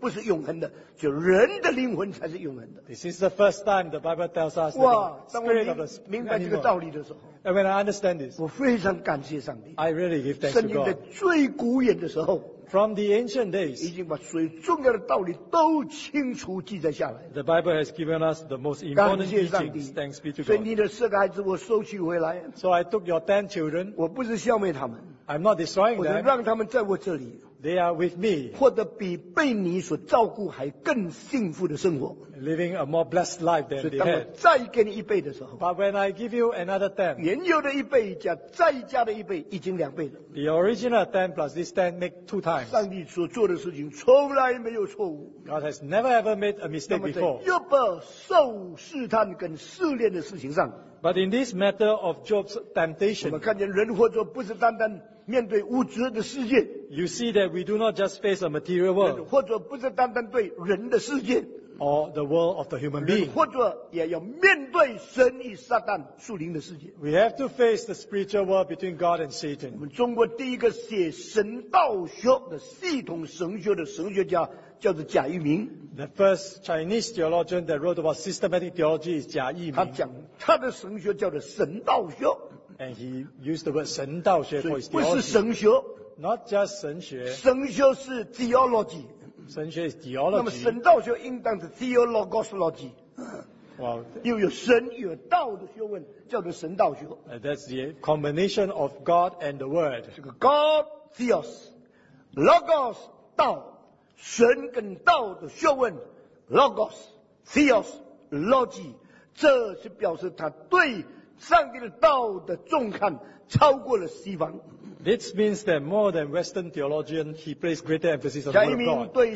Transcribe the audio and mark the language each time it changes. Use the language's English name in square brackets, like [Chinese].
[Chinese] 圣经第一次告诉我们，动物的灵魂不是永恒的，就人的灵魂才是永恒的。 [English] This is the first time the Bible tells us that the spirit of the animal. And when I understand this, [Chinese] 我非常感谢上帝, [English] I really give thanks to God. [Chinese] 圣经的最古远的时候, [English] from the ancient days, [Chinese] 已经把最重要的道理都清楚记载下来。 [English] The Bible has given us the most important teachings. Thanks be to God. [Chinese] 所以你的十个孩子我收取回来。 [English] So I took your 10 children. [Chinese] 我不是消灭他们。 [English] I'm not destroying them. [Chinese] 我就让他们在我这里。 [English] They are with me. [Chinese] 获得比被你所照顾还更幸福的生活。 [English] Living a more blessed life than they had. [Chinese] 所以当我再给你一倍的时候， [English] But when I give you another 10, [Chinese] 原有的一倍加再加的一倍已经两倍了。 [English] The original 10 plus this 10 make 2 times. [Chinese] 上帝所做的事情从来没有错误。 [English] God has never ever made a mistake before. [Chinese] 那么在约伯受试探跟试炼的事情上， [English] But in this matter of Job's temptation, [Chinese] 我们看见人活着不是单单 面对物质的世界， [English] you see that we do not just face a material world, [Chinese] 或者不是单单对人的世界， [English] or the world of the human being, [Chinese] 或者也要面对神与撒旦属灵的世界。 [English] We have to face the spiritual world between God and Satan. [Chinese] 我们中国第一个写神道学的系统神学的神学家叫做贾聿铭。 [English] The first Chinese theologian that wrote about systematic theology is 贾聿铭。 [Chinese] 他讲他的神学叫做神道学。 [English] And he used the word 神道学 for his theology. [Chinese] 不是神学, [English] not just 神学. [Chinese] 神学是 theology. [English] 神学 is theology. [Chinese] 那么神道学应当是 theologosology. [English] Wow. [Chinese] 又有神又有道的学问, 叫做神道学。 [English] That's the combination of God and the word. [Chinese] 这个 God, theos, logos, 道, 神跟道的学问, logos, theos, logy, 这是表示他对 上帝的道的重看超过了西方。 [English] This means that more than Western theologian, he placed greater emphasis on the word of God.